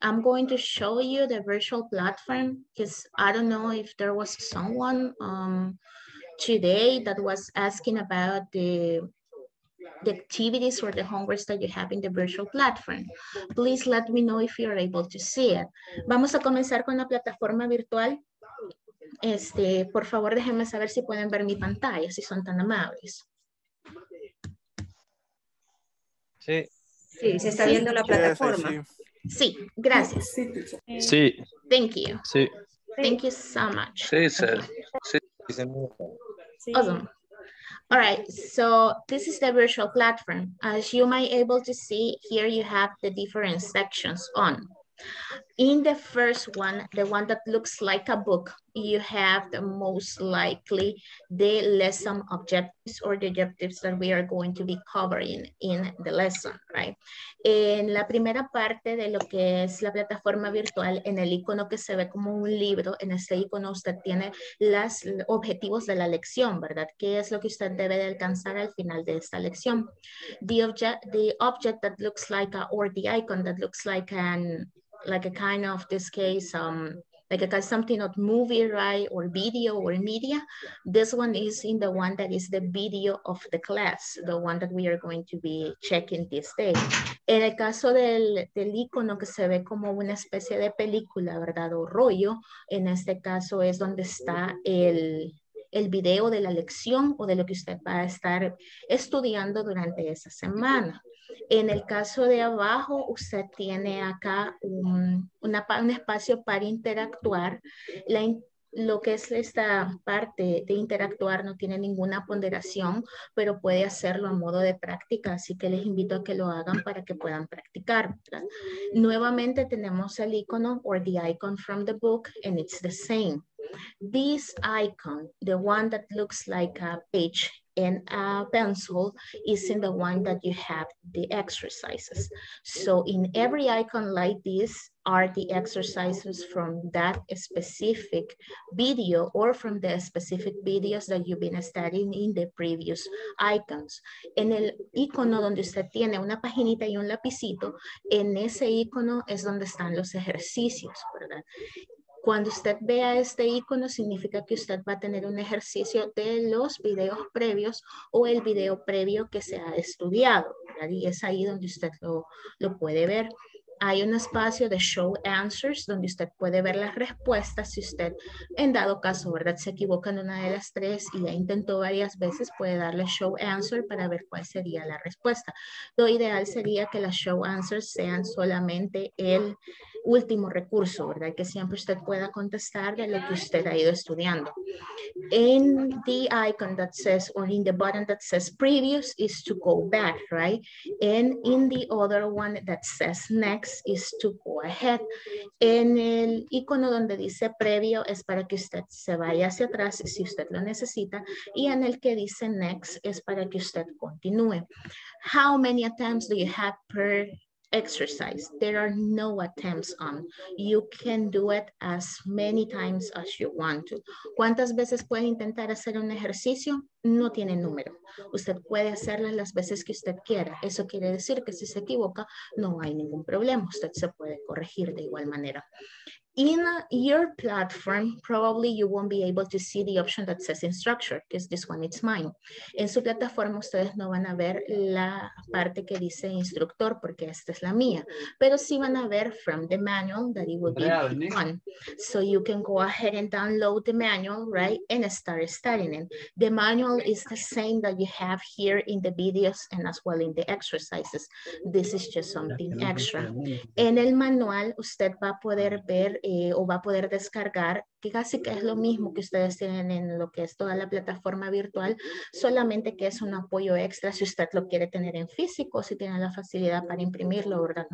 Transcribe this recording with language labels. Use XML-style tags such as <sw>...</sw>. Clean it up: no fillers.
<en>I'm going to show you the virtual platform because I don't know if there was someone today that was asking about the activities or the homeworks that you have in the virtual platform. Please let me know if you're able to see it.</en> <es>Vamos a comenzar con la plataforma virtual. Por favor, déjenme saber si pueden ver mi pantalla, si son tan amables. Sí. Sí, se está viendo la plataforma. Sí, gracias. Sí.</es> <en>Thank you.</en> <es>Sí.</es> <en>Thank you so much.</en> <es>Sí, sir. Okay. Sí.</es> <en>Awesome. All right, so this is the virtual platform. As you might be able to see, here you have the different sections on. In the first one, the one that looks like a book, you have the most likely the lesson objectives or the objectives that we are going to be covering in the lesson, right?</en> <es>En la primera parte de lo que es la plataforma virtual, en el icono que se ve como un libro, en este icono usted tiene los objetivos de la lección, ¿verdad? ¿Qué es lo que usted debe de alcanzar al final de esta lección?</es> <en>The object that looks like a, or the icon that looks like an, like a kind of this case, like a something of movie, right, or video or media. This one is in the one that is the video of the class, the one that we are going to be checking this day.</en> <es>En el caso del icono que se ve como una especie de película, ¿verdad? O rollo, en este caso es donde está el video de la lección o de lo que usted va a estar estudiando durante esa semana. En el caso de abajo, usted tiene acá un espacio para interactuar. Lo que es esta parte de interactuar no tiene ninguna ponderación, pero puede hacerlo a modo de práctica. Así que les invito a que lo hagan para que puedan practicar. Nuevamente tenemos el icono</es> <en>or the icon from the book, and it's the same. This icon, the one that looks like a page and a pencil, is in the one that you have the exercises. So in every icon like this are the exercises from that specific video or from the specific videos that you've been studying in the previous icons.</en> <es>En el icono donde usted tiene una paginita y un lapicito, en ese icono es donde están los ejercicios, ¿verdad? Cuando usted vea este icono, significa que usted va a tener un ejercicio de los videos previos o el video previo que se ha estudiado, ¿verdad? Y es ahí donde usted lo puede ver. Hay un espacio de show answers donde usted puede ver las respuestas. Si usted, en dado caso, ¿verdad?, se equivoca en una de las tres y ya intentó varias veces, puede darle show answer para ver cuál sería la respuesta. Lo ideal sería que las show answers sean solamente el último recurso, ¿verdad?, que siempre usted pueda contestarle lo que usted ha ido estudiando.</es> <en>In the icon that says, or in the button that says previous, is to go back, right? And in the other one that says next, is to go ahead.</en> <es>En el icono donde dice previo, es para que usted se vaya hacia atrás si usted lo necesita. Y en el que dice next, es para que usted continúe.</es> <en>How many attempts do you have per exercise? There are no attempts on. You can do it as many times as you want to.</en> <es>¿Cuántas veces puede intentar hacer un ejercicio? No tiene número. Usted puede hacerlas las veces que usted quiera. Eso quiere decir que si se equivoca, no hay ningún problema. Usted se puede corregir de igual manera.</es> <en>In your platform, probably you won't be able to see the option that says instructor, because this one is mine.</en> <es>En su plataforma, ustedes no van a ver la parte que dice instructor, porque esta es la mía. Pero sí van a ver</es> <en>from the manual that it will be one. So you can go ahead and download the manual, right, and start studying it. The manual is the same that you have here in the videos and as well in the exercises. This is just something extra.</en> <es>En el manual, usted va a poder ver o va a poder descargar, que casi que es lo mismo que ustedes tienen en lo que es toda la plataforma virtual, solamente que es un apoyo extra si usted lo quiere tener en físico, si tiene la facilidad para imprimirlo, ¿verdad?</es>